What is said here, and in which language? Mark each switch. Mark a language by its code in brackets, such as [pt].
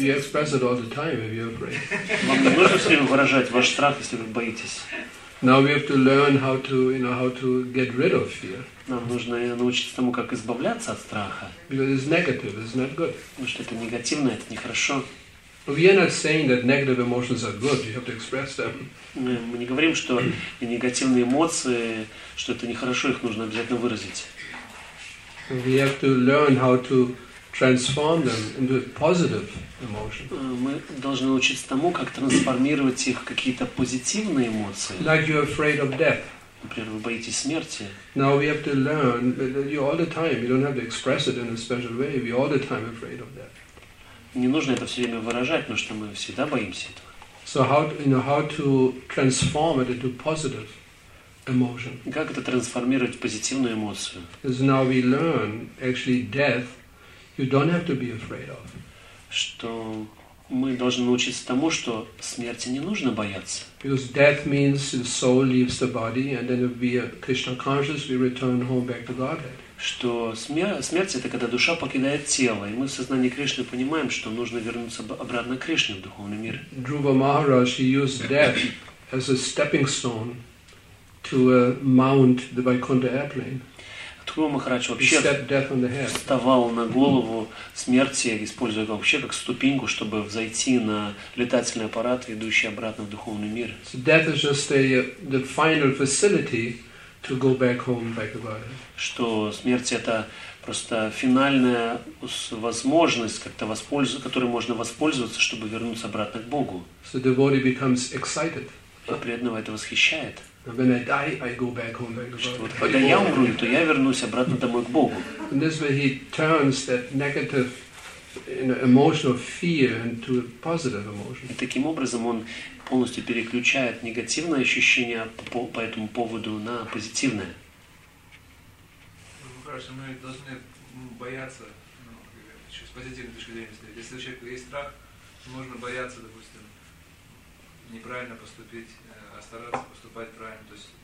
[en] You express it all the time if you're afraid. [ru] Вам не нужно все время выражать ваш страх, если вы боитесь. [en] Now we have to learn how to get rid of fear. [ru] Нам нужно научиться тому, как избавляться от страха. [en] Because it's negative, it's not good. [ru] Потому что это негативно, это нехорошо. [en] We are not saying that negative emotions are good. You have to express them. [ru] Мы не говорим, что негативные эмоции, что это нехорошо, их нужно обязательно выразить. [en] We have to learn how to transform them into positive emotions. [ru] Мы должны учиться тому, как трансформировать их в какие-то позитивные эмоции. [en] Like you're afraid of death. [ru] Например, вы боитесь смерти. [en] Now we have to learn that you all the time. You don't have to express it in a special way. We all the time afraid of death. [ru] Не нужно это все время выражать, потому что мы всегда боимся этого. [en] So how to transform it into positive? [ru] Как это трансформировать в позитивную эмоцию? [en] Because now we learn, actually, death, you don't have to be afraid of. [ru] Что мы должны научиться тому, что смерти не нужно бояться. [en] Because death means the soul leaves the body, and then if we are Krishna conscious, we return home back to Godhead. [ru] Что смерть это когда душа покидает тело, и мы в сознании Кришны понимаем, что нужно вернуться обратно к Кришне в духовный мир. [en] Dhruva Maharaj used death as a stepping stone. To mount the Vaikuntha airplane. [ru] Dhruva Maharaj вообще вставал на голову смерти, используя вообще как ступеньку, чтобы взойти на летательный аппарат, идущий обратно в духовный мир. [en] So death is just the final facility to go back home, back to Godhead. [ru] Что смерть это просто финальная возможность, как-то которой можно воспользоваться, чтобы вернуться обратно к Богу. [en] So the body becomes excited. [ru] А преданного это восхищает. [en] When I die, I go back home, back to God. [ru] Что, вот, когда я умру, то я вернусь обратно домой к Богу. [en] And this way he turns that negative, emotional fear into a positive emotion. [ru] И таким образом он полностью переключает негативное ощущение по этому поводу на позитивное. Мы должны бояться, с позитивной точки зрения. Если у человека есть страх, то можно бояться, допустим, неправильно поступить. Стараться поступать правильно, то есть